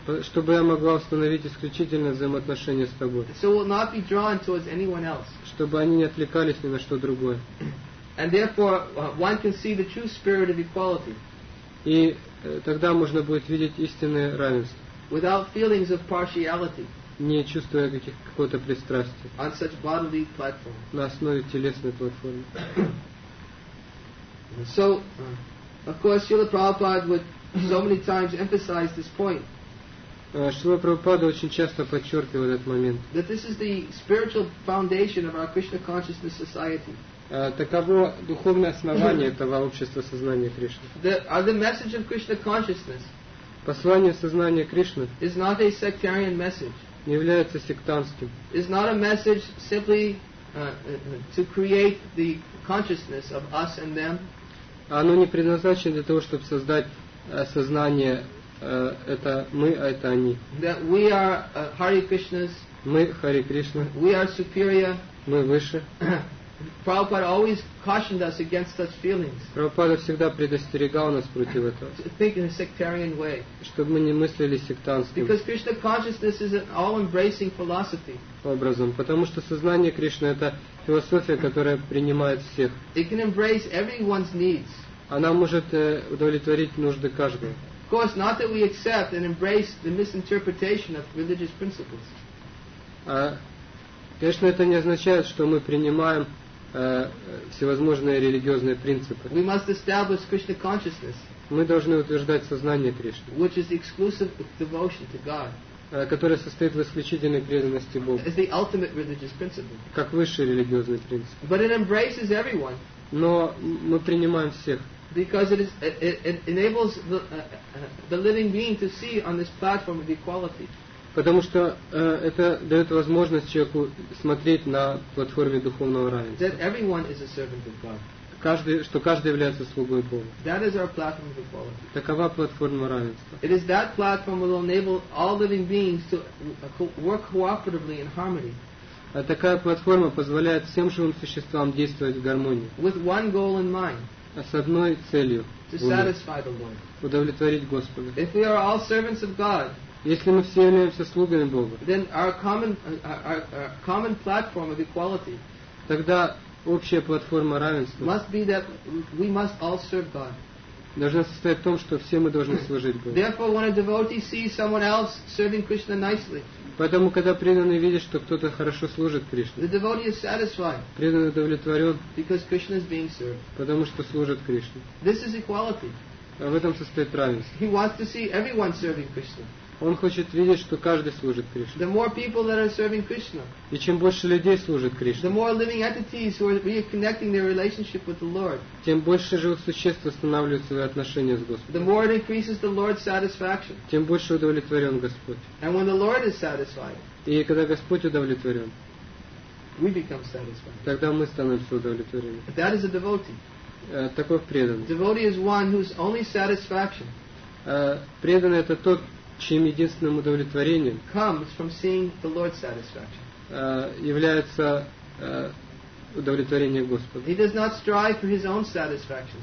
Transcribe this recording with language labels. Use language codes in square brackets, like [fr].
[ru] Чтобы я могла установить исключительное взаимоотношение с тобой. [en] So will not be drawn towards anyone else. [ru] Чтобы они не отвлекались ни на что другое. [en] And therefore, one can see the true spirit of equality. [ru] И тогда можно будет видеть истинное равенство. [en] Without feelings of partiality, [ru] не чувствуя какого-то пристрастия. [en] On such bodily platform. [ru] На основе телесной платформы. [en] So, of course, Srila Prabhupada would so many times emphasize this point. [ru] Шрила Прабхупада очень часто подчеркивал этот момент. [en] That this is the spiritual foundation of our Krishna consciousness society. [ru] Таково духовное основание этого общества сознания Кришны. [en] The message of Krishna consciousness, [ru] послание сознания Кришны, [en] is not a sectarian message, [ru] не является сектантским. [en] Is not a message simply to create the consciousness of us and them. [ru] Оно не предназначено для того, чтобы создать сознание это мы, а это они. [en] That we are Hare Krishnas, [ru] мы Харе Кришна, [en] we are superior, [ru] мы выше. [en] Prabhupada always cautioned us against such feelings. [ru] Прабхупада всегда предостерегал нас против этого. [en] To think in a sectarian way. [ru] Чтобы мы не мыслили сектантски. [en] Because Krishna consciousness is an all-embracing philosophy. [ru] Образом, потому что сознание Кришны это философия, которая принимает всех. [en] It can embrace everyone's needs. [ru] Она может удовлетворить нужды каждого. [en] Of course, not that we accept and embrace the misinterpretation of religious principles. [ru] Конечно, это не означает, что мы принимаем всевозможные религиозные принципы. [en] We must establish Krishna consciousness, [ru] мы должны утверждать сознание Кришны, [en] which is exclusive devotion to God, [ru] которая состоит в исключительной преданности Богу, [en] as the ultimate religious principle. [ru] Как высший религиозный принцип. [en] But it embraces everyone. [ru] Но мы принимаем всех. [en] Because it enables the living being to see on this platform of equality. [ru] Потому что это дает возможность человеку смотреть на платформе духовного равенства. [en] That everyone is a servant of God. [ru] Что каждый является слугой Бога. [en] That is our platform of equality. [ru] Такова платформа равенства. [en] It is that platform that will enable all living beings to work cooperatively in harmony. [ru] Такая платформа позволяет всем живым существам действовать в гармонии. [en] With one goal in mind. [ru] С одной целью. [en] To satisfy the Lord. [ru] Удовлетворить Господа. [en] If we are all servants of God. [ru] Если мы все являемся слугами Бога. [en] Then our common platform of equality. [ru] Тогда общая платформа равенства [en] must be that we must all serve God. [ru] Должна состоять в том, что все мы должны служить Богу. [en] Therefore, when a devotee sees someone else serving Krishna nicely, [ru] поэтому, когда преданный видит, что кто-то хорошо служит Кришне, [en] the devotee is satisfied, [ru] преданный удовлетворен, [en] because Krishna is being served, [ru] потому что служит Кришне. [en] This is equality. [ru] В этом состоит равенство. [en] He wants to see everyone serving Krishna. [ru] Он хочет видеть, что каждый служит Кришне. [en] The more people that are serving Krishna, [ru] и чем больше людей служит Кришне, [en] the more living entities who are reconnecting their relationship with the Lord, [ru] тем больше живых существ восстанавливают свои отношения с Господом. [en] The more it increases the Lord's satisfaction, [ru] тем больше удовлетворен Господь. [en] And when the Lord is satisfied, [ru] и когда Господь удовлетворен, [en] we become satisfied. [ru] Тогда мы становимся удовлетворены. [en] That is a devotee. [ru] Такой преданный. [en] Devotee is one whose only satisfaction. [ru] Преданный — это тот, чьим единственным удовлетворением [en] comes from seeing the Lord's satisfaction. [ru] Является удовлетворение Господа. [en] He does not strive for his own satisfaction.